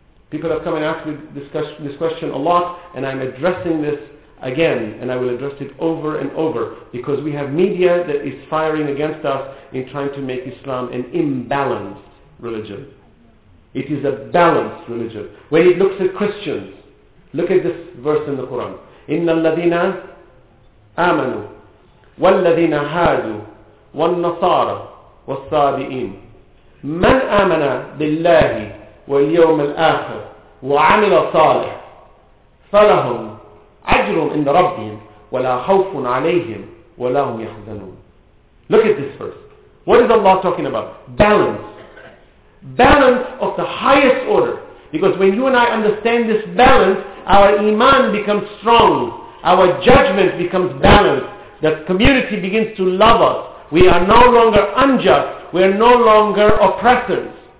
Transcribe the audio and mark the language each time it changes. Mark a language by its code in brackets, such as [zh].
[en] People have come and asked me this question a lot, and I'm addressing this again, and I will address it over and over, because we have media that is firing against us in trying to make Islam an imbalanced religion. It is a balanced religion. When it looks at Christians, look at this verse in the Quran. [ar] Inna alladhina amanu, walladhina hadu, والنصارى والصابئين من آمن بالله واليوم الآخر وعمل صالح فلهم أجر عند ربهم ولا خوف عليهم ولا هم يحزنون. [en] Look at this verse. What is Allah talking about? Balance. Balance of the highest order. Because when you and I understand this balance, our iman becomes strong. Our judgment becomes balanced. The community begins to love us. We are no longer unjust. We are no longer oppressors.